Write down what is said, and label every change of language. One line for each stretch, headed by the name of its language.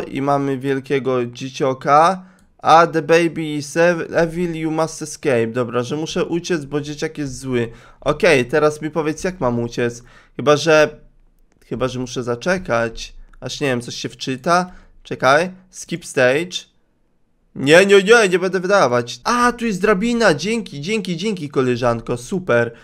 Polish: I mamy wielkiego dzicioka.
English: A, the baby is evil, you must escape.
Polish: Dobra, że muszę uciec, bo dzieciak jest zły. Okej, teraz mi powiedz, jak mam uciec. Chyba, że muszę zaczekać. Aż nie wiem, coś się wczyta. Czekaj,
English: skip stage.
Polish: Nie będę wydawać. A, tu jest drabina, dzięki koleżanko, super.